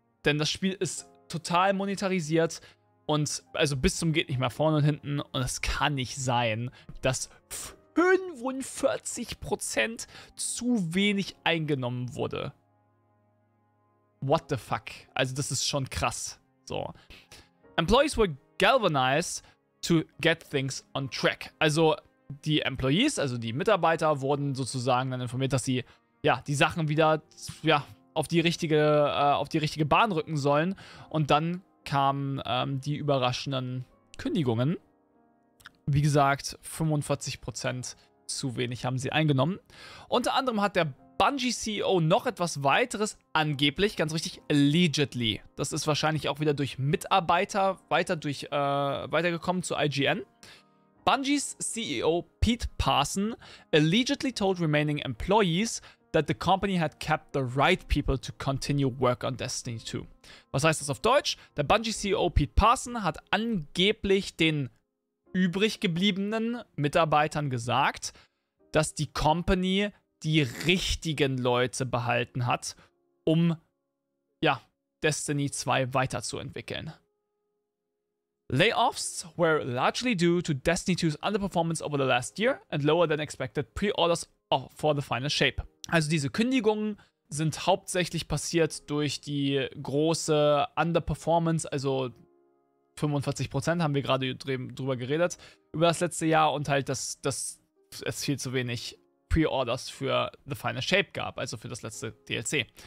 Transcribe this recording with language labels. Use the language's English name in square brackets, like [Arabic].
[German] Denn das Spiel ist total monetarisiert. Und also bis zum geht nicht mehr vorne und hinten. Und es kann nicht sein, dass 45% zu wenig eingenommen wurde. [English] What the fuck? [German] Also das ist schon krass. So. [English] Employees were galvanized to get things on track. [German] Also die Employees, also die Mitarbeiter wurden sozusagen dann informiert, dass sie ja die Sachen wieder ja, auf die richtige Bahn rücken sollen. Und dann... kamen die überraschenden Kündigungen. Wie gesagt, 45% zu wenig haben sie eingenommen. Unter anderem hat der Bungie-CEO noch etwas weiteres angeblich, ganz richtig, allegedly. Das ist wahrscheinlich auch wieder durch Mitarbeiter weitergekommen zu IGN. [English] Bungies CEO Pete Parson allegedly told remaining employees that the company had kept the right people to continue work on Destiny 2. [German] Was heißt das auf Deutsch? Der Bungie-CEO Pete Parson hat angeblich den übrig gebliebenen Mitarbeitern gesagt, dass die Company die richtigen Leute behalten hat, um ja, Destiny 2 weiterzuentwickeln. [English] Layoffs were largely due to Destiny 2's underperformance over the last year and lower than expected pre-orders for the final shape. [German] Also diese Kündigungen sind hauptsächlich passiert durch die große Underperformance, also 45% haben wir gerade drüber geredet, über das letzte Jahr und halt, dass es viel zu wenig Pre-Orders für The Final Shape gab, also für das letzte DLC.